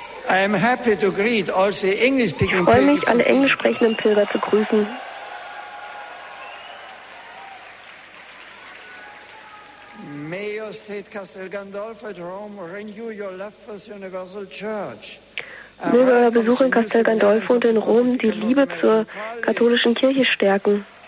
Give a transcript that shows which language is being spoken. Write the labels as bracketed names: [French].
[English] I am happy to greet all the English speaking pilgrims. [German] Ich freue mich, alle englisch sprechenden Pilger zu grüßen. [English] May your state Castel Gandolfo at Rome renew your love for the universal church. [German] Möge euer Besuch in Castel Gandolfo und in Rom die Liebe zur katholischen Kirche stärken.